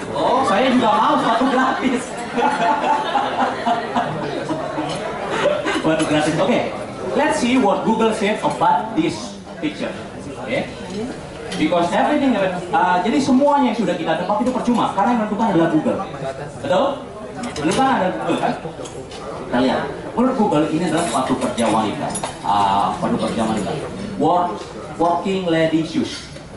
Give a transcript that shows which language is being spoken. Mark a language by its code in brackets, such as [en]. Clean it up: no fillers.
[id] Oh, saya juga mau sepatu gratis. Sepatu gratis. Okay. [en] let's see what Google said about this picture. Okay? Because everything, [id] jadi semuanya yang sudah kita tebak itu percuma, karena yang menentukan adalah Google. Betul? Menentukan adalah Google, kan? Kita lihat, menurut Google ini adalah suatu kerja wanita. Suatu kerja wanita. [en] Working lady shoes.